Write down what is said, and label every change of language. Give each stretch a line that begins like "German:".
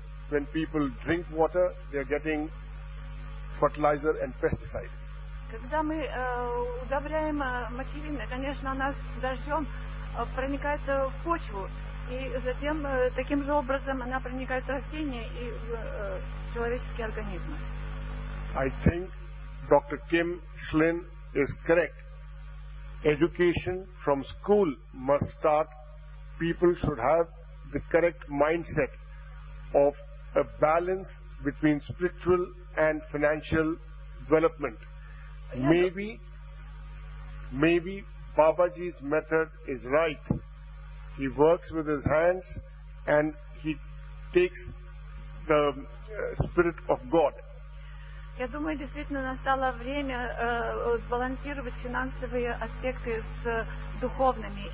English: When people drink water, they are getting fertilizer and pesticide.
Russian: Когда мы удобряем мочевины, конечно, она с дождем проникает в почву. И затем таким же образом она проникает в растения и в человеческие организмы.
English: I think Dr. Kim Shlin is correct. Education from school must start. People should have the correct mindset of a balanced between spiritual and financial development. Maybe Babaji's method is right. He works with his hands and he takes the spirit of God.
Russian: Я думаю, действительно настало время сбалансировать финансовые аспекты с духовными.